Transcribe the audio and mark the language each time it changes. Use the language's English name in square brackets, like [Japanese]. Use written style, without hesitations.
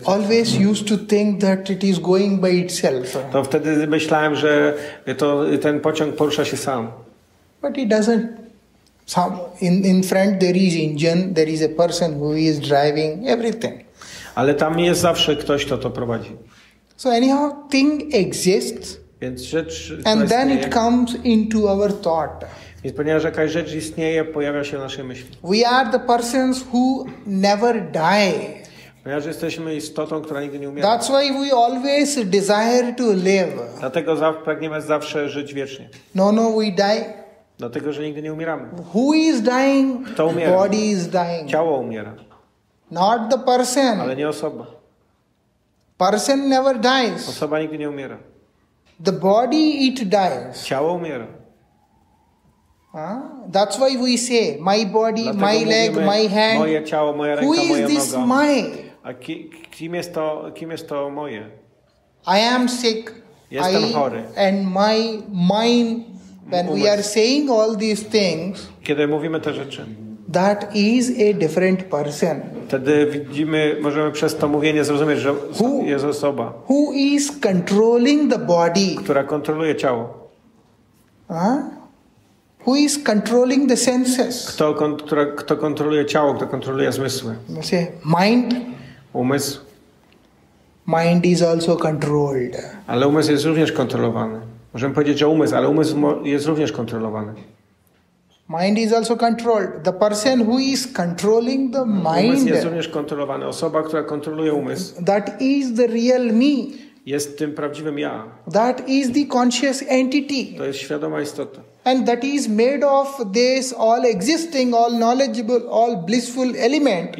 [English] Always used to think that it is going by itself. [Polish] To wtedy myślałem, że to ten pociąg porusza się sam. [English] But it doesn't. In front there is engine, there is a person who is driving everything. [Polish] Ale tam jest zawsze ktoś, kto to prowadzi. [English] So anyhow, thing exists. [Polish] Więc rzecz, [English] and then it comes into our thought. [Polish] Więc ponieważ jakaś rzecz istnieje, pojawia się w naszej myśli. [English] We are the persons who never die. [Polish] Ponieważ jesteśmy istotą, która nigdy nie umiera. [English] That's why we always desire to live. [Polish] Dlatego pragniemy zawsze żyć wiecznie. [English] No, we die. [Polish] Dlatego, że nigdy nie umieramy. [English] Who is dying? [Polish] Kto umiera? [English] Body is dying. [Polish] Ciało umiera. [English] Not the person. [Polish] Ale nie osoba. [English] Person never dies. [Polish] Osoba nigdy nie umiera. [English] The body, it dies. [Polish] Ciało umiera. [English] That's why we say, my body, [Polish] dlatego [English] my leg, my hand. [Polish] Moje ciało, moja ręka, [English] who [Polish] moja [English] is this [Polish] noga. [English] My? [Polish] A kim jest to moje? [English] I am sick. [Polish] Jestem chory. [English] And my mind, when we are saying all these things. [Polish] Kiedy mówimy te rzeczy. [English] That is a different person. [Polish] Wtedy widzimy, możemy przez to mówienie zrozumieć, że who, jest osoba. [English] Who is controlling the body? [Polish] Która kontroluje ciało. [English] Who is controlling the senses? [Polish] Kto kontroluje ciało, kto kontroluje zmysły. [English] Mind. [Polish] Umysł. [English] Mind is also controlled. [Polish] Ale umysł jest również kontrolowany. Możemy powiedzieć, że umysł, ale umysł jest również kontrolowany. [English] Mind is also controlled. The person who is controlling the mind. [Polish] Umysł jest również kontrolowany. Osoba, która kontroluje umysł. [English] That is the real me. [Polish] Jest tym prawdziwym ja. [English] That is the conscious entity. [Polish] To jest świadoma istota. [English] And that is made of this all existing, all knowledgeable, all blissful element.